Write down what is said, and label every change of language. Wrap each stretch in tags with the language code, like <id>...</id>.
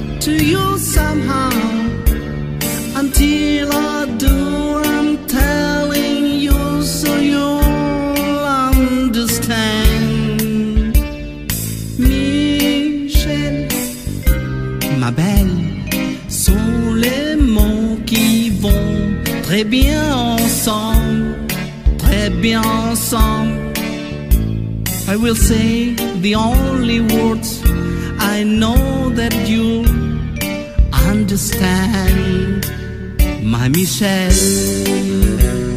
<en>To you somehow. Until I do, I'm telling you so you'll understand.</en> <fr>Michelle, ma belle, sont les mots qui vont très bien ensemble, très bien ensemble.</fr> <en>I will say the only words I know that you understand, my Michelle.</en>